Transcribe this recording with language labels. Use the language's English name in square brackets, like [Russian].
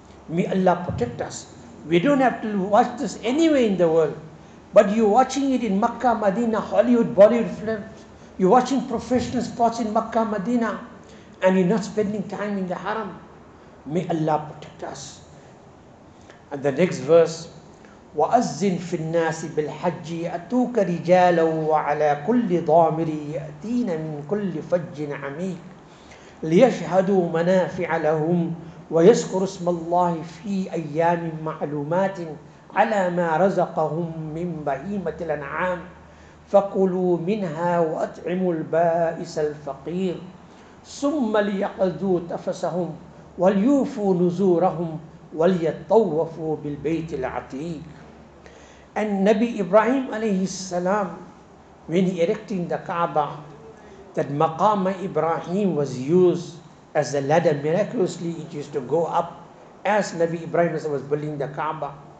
[English] May Allah protect us. We don't have to watch this anywhere in the world. But you're watching it in Makkah, Medina, Hollywood, Bollywood films. You're watching professional sports in Makkah, Medina. And you're not spending time in the haram. May Allah protect us. And the next verse. [Arabic] وَأَزِّنْ فِي النَّاسِ بِالْحَجِّ يَأْتُوكَ رِجَالًا وَعَلَىٰ كُلِّ ضَامِرٍ يَأْتِينَ مِنْ كُلِّ فَجٍ عَمِيكٍ ليشهدوا منافع لهم ويذكروا اسم الله في أيام معلومات على ما رزقهم من بهيمة الأنعام فكلوا منها وأطعموا البائس الفقير ثم ليقضوا تفسهم وليوفوا نذورهم وليطوفوا بالبيت العتيق. [English] And Nabi Ibrahim alayhi salam, when he erecting the Kaaba, that Maqama Ibrahim was used as a ladder. Miraculously, it used to go up as Nabi Ibrahim was building the Kaaba.